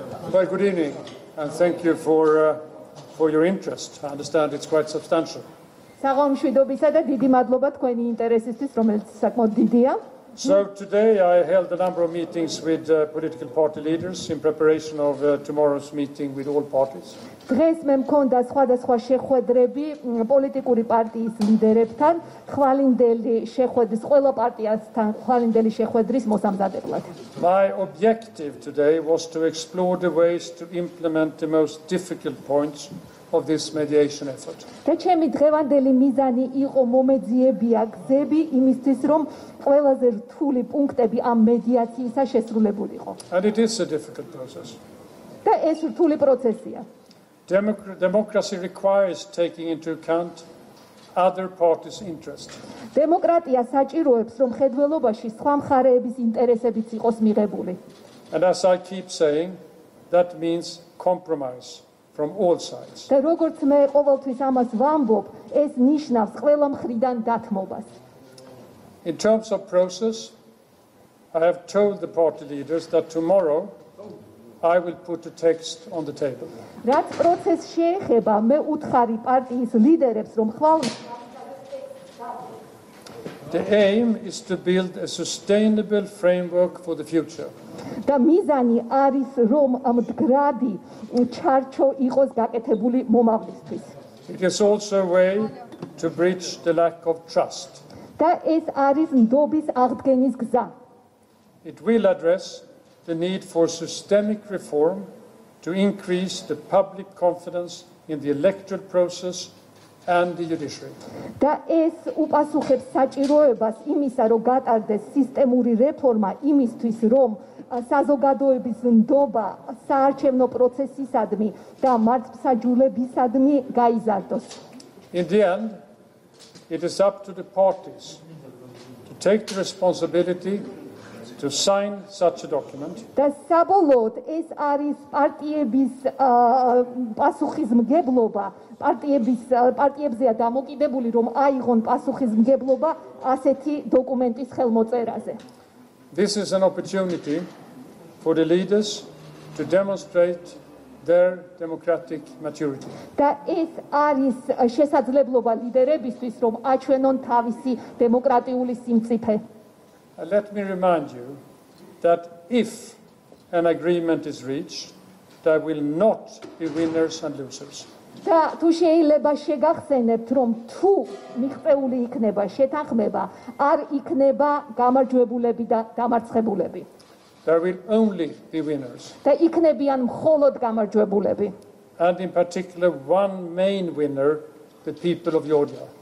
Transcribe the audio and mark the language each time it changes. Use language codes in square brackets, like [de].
[en] Well, good evening, and thank you for your interest. I understand it's quite substantial. [ka] საღამშვიდობისა და დიდი მადლობა თქვენი ინტერესისთვის, რომელიც საკმაოდ დიდია. [en] So today I held a number of meetings with political party leaders in preparation of tomorrow's meeting with all parties. [ka] დღეს მე მქონდა სხვადასხვა შეხვედრები პოლიტიკური პარტიის ლიდერებთან, ხვალინდელი შეხვედრის ყველა პარტიასთან, ხვალინდელი შეხვედრის მოსამზადებლად. [en] My objective today was to explore the ways to implement the most difficult points of this mediation effort. [ka] და ჩემი დღევანდელი მიზანი იყო მომეძიებია გზები იმისთვის, რომ ყველაზე რთული პუნქტები ამ მედიაციისა შესრულებულიყო. [en] And it is a difficult process. [ka] და ეს რთული პროცესია. [en] Democracy requires taking into account other parties' interests. [ka] დემოკრატია საჭიროებს, რომ ხედველობაში სხვა მხარეების ინტერესებიც იყოს მიღებული. [en] And as I keep saying, that means compromise from all sides. [ka] და როგორც მე ყოველთვის ამას ვამბობ, ეს ნიშნავს ყველა მხრიდან დათმობას. [en] In terms of process, I have told the party leaders that tomorrow I will put a text on the table. [ka] რაც პროცესს შეეხება, მე უთხარი პარტიის ლიდერებს, რომ ხვალ [en] The aim is to build a sustainable framework for the future. [ka] და მიზანი არის, რომ ამ მდგრადი ჩარჩო იყოს გაკეთებული მომავლისთვის. [en] It is also a way to bridge the lack of trust. [ka] და ეს არის ნდობის აღდგენის გზა. [en] It will address the need for systemic reform to increase the public confidence in the electoral process and the judiciary. [ka] და ეს უპასუხებს საჭიროებას იმისა, რომ გატარდეს სისტემური რეფორმა იმისთვის, რომ საზოგადოების ნდობა საარჩევნო პროცესისადმი და მართლმსაჯულებისადმი გაიზარდოს. [en] In the end, it is up to the parties to take the responsibility to sign such a document. [ka] და საბოლოოდ ეს არის პარტიების პასუხისმგებლობა, პარტიებზეა დამოკიდებული, რომ აიღონ პასუხისმგებლობა ასეთი დოკუმენტის ხელმოწერაზე. [en] This is an opportunity for the leaders to demonstrate their democratic maturity. [ka] და ეს არის შესაძლებლობა ლიდერებისთვის, რომ აჩვენონ თავისი დემოკრატიული სიმწიფე. [en] Let me remind you that if an agreement is reached, there will not be winners and losers. [ka] და თუ შეიძლება შეგახსენებთ, რომ თუ მიღწეული იქნება შეთანხმება, არ იქნება გამარჯვებულები და დამარცხებულები. [en] There will only be winners. [ka] და იქნებიან მხოლოდ გამარჯვებულები. [en] And in particular one main winner, the people of Georgia.